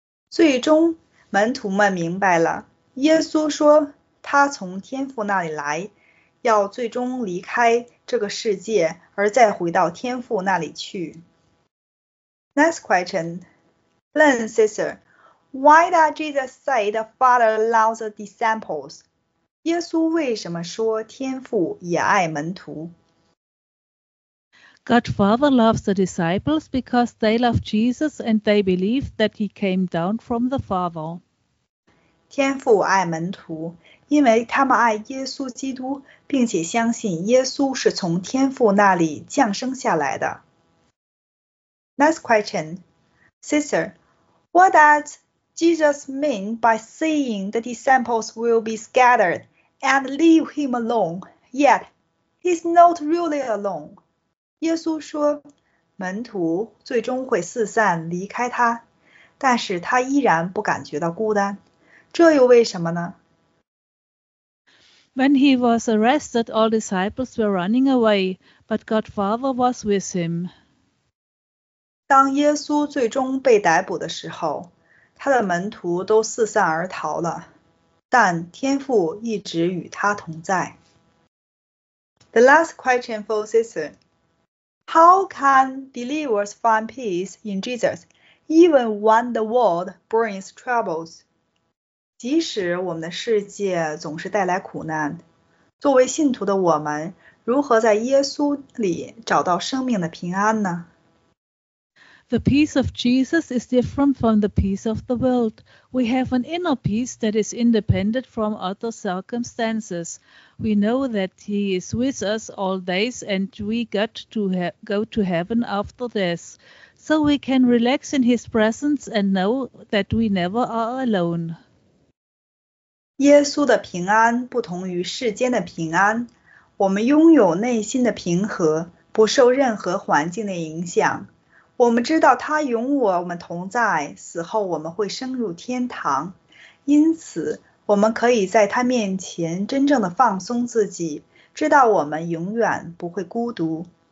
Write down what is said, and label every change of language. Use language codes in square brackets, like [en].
[zh] 最终，门徒们明白了。耶稣说他从天父那里来，要最终离开这个世界，而再回到天父那里去。 [en] Next question. Learn, sister. Why does Jesus say the Father loves the disciples? [zh] 耶稣为什么说天父也爱门徒？ [en] God Father loves the disciples because they love Jesus and they believe that he came down from the Father. [zh] 天父爱门徒，因为他们爱耶稣基督，并且相信耶稣是从天父那里降生下来的。 [en] Next question. Sister, what does Jesus mean by saying the disciples will be scattered and leave him alone, yet he's not really alone? [zh] 耶稣说，门徒最终会四散离开他，但是他依然不感觉到孤单。这又为什么呢？ [en] When he was arrested, all disciples were running away, but God Father was with him. [zh] 当耶稣最终被逮捕的时候，他的门徒都四散而逃了，但天父一直与他同在。 [en] The last question for sister. How can believers find peace in Jesus, even when the world brings troubles? 即使我们的世界总是带来苦难，作为信徒的我们如何在耶稣里找到生命的平安呢？ The peace of Jesus is different from the peace of the world. We have an inner peace that is independent from other circumstances. We know that he is with us all days and we got to go to heaven after death. So we can relax in his presence and know that we never are alone. [zh] 耶稣的平安不同于世间的平安，我们拥有内心的平和，不受任何环境的影响。我们知道他与我们同在，死后我们会升入天堂，因此我们可以在他面前真正的放松自己，知道我们永远不会孤独。